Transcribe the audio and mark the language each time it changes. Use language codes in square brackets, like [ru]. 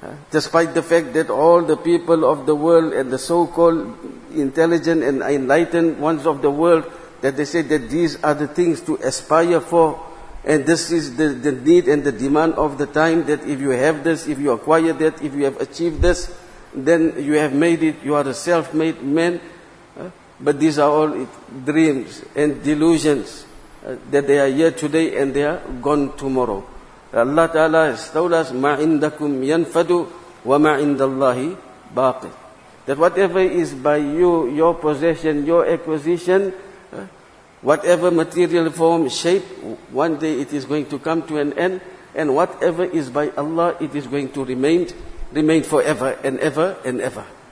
[en] Despite the fact that all the people of the world and the so-called intelligent and enlightened ones of the world, that they say that these are the things to aspire for, and this is the need and the demand of the time, that if you have this, if you acquire that, if you have achieved this, then you have made it, you are a self-made man. But these are all dreams and delusions, that they are here today and they are gone tomorrow. Allah Ta'ala has told us, [ar] مَا عِنْدَكُمْ يَنْفَدُ وَمَا عِنْدَ اللَّهِ بَاقِ. [en] That whatever is by you, your possession, your acquisition, whatever material form, shape, one day it is going to come to an end, and whatever is by Allah, it is going to remain forever and ever and ever.